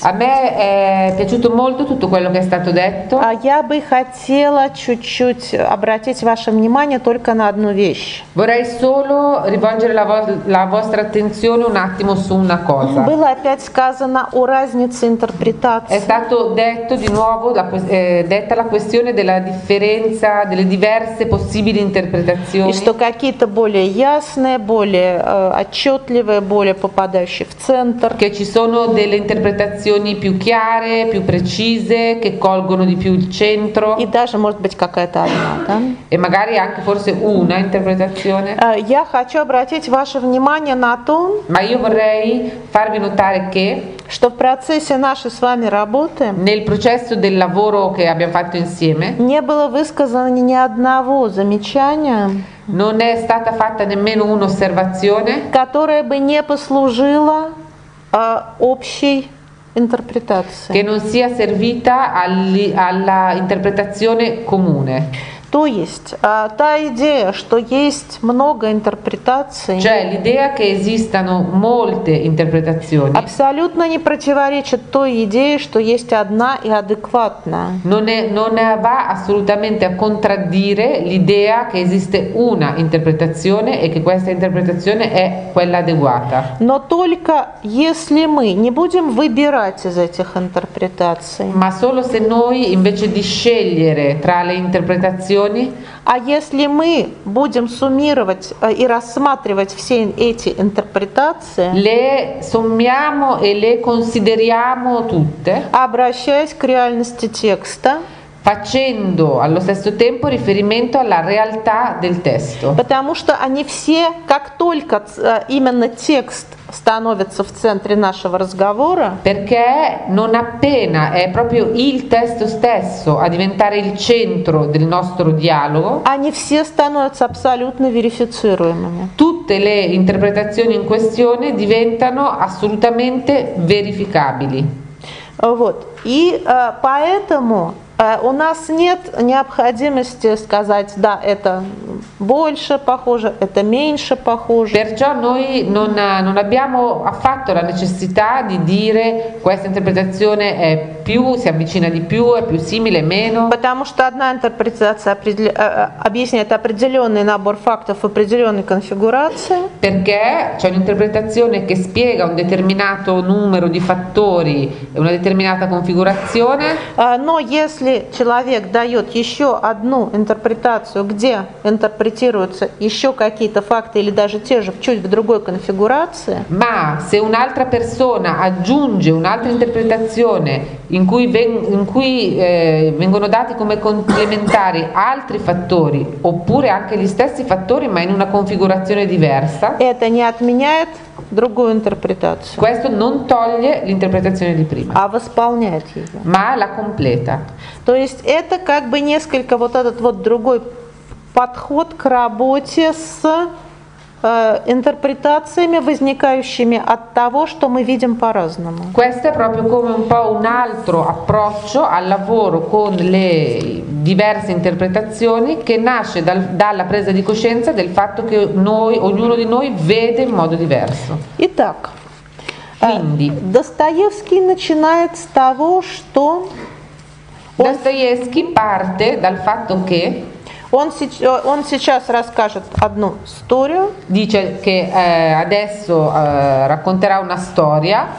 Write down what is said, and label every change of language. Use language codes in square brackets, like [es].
[it] A me è piaciuto molto tutto quello che è stato detto. [ru] Я бы хотела чуть-чуть обратить ваше внимание только на одну вещь. [it] Vorrei solo rivolgere la vostra attenzione un attimo su una cosa. [ru] Было опять сказано о разнице интерпретации. [it] È stato detto di nuovo detta la questione della differenza delle diverse possibili interpretazioni. [ru] И что какие-то более ясные, более отчетливые, более попадающие в центр. [it] Che ci sono delle interpretazioni più chiare, più precise, che colgono di più il centro. [ru] И даже может быть какая-то одна, да? [it] E magari anche forse una interpretazione. [ru] Я хочу обратить ваше внимание на то, [it] ma io vorrei farvi notare che, [ru] что в процессе нашей с вами работы, [it] nel processo del lavoro che abbiamo fatto insieme, [ru] не было высказано ни одного замечания, [it] non è stata fatta nemmeno un'osservazione, [ru] которая бы не послужила общей интерпретации, [it] che non sia servita alla interpretazione comune. [ru] То есть, та идея, что есть много интерпретаций, [it] cioè, l'idea che esistano molte interpretazioni, [ru] абсолютно не противоречит той идее, что есть одна и адекватная. [it] Non va assolutamente a contraddire l'idea che esiste una interpretazione e che questa interpretazione è quella adeguata. [ru] Но только если мы не будем выбирать из этих интерпретаций. [it] Ma solo se noi invece di scegliere tra le interpretazioni. [ru] А если мы будем суммировать и рассматривать все эти интерпретации, [it] le sommiamo e le consideriamo tutte, [ru] обращаясь к реальности текста, [it] facendo allo stesso tempo riferimento alla realtà del testo. [ru] Потому что они все, как только именно текст становится в центре нашего разговора, [it] perché non appena è proprio il testo stesso a diventare il centro del nostro dialogo, [ru] они все становятся абсолютно верифицируемыми. [it] Tutte le interpretazioni in questione diventano assolutamente verificabili. [ru] Вот. И поэтому У нас нет необходимости сказать, да, это больше похоже, это меньше похоже. [it] Perciò noi non abbiamo affatto la necessità di dire questa interpretazione è più, si avvicina di più, è più simile, meno. [ru] Потому что одна интерпретация объясняет определенный набор фактов в определенной конфигурации. [it] Perché c'è un'interpretazione che spiega un determinato numero di fattori e una determinata configurazione. [ru] Но если человек дает еще одну интерпретацию, где интерпретируются еще какие-то факты или даже те же, чуть в другой конфигурации. [it] Ma se un'altra persona aggiunge un'altra interpretazione in cui vengono dati come complementari altri fattori, oppure anche gli stessi fattori, ma in una configurazione diversa. [ru] Это не отменяет другую интерпретацию. [it] Questo non toglie l'interpretazione di prima. [ru] А восполняет ее. [it] Ma la completa. [ru] То есть это как бы несколько вот этот вот другой подход к работе с интерпретациями, возникающими от того, что мы видим по-разному. [it] Questo è proprio come un po' un altro approccio al lavoro con le diverse interpretazioni che nasce dalla presa di coscienza del fatto che noi, ognuno di noi, vede in modo diverso. [ru] Итак, Достоевский начинает с того, что [it] Достоевский parte dal fatto che [ru] он сейчас расскажет одну историю. [it] Dice che adesso racconterà una storia.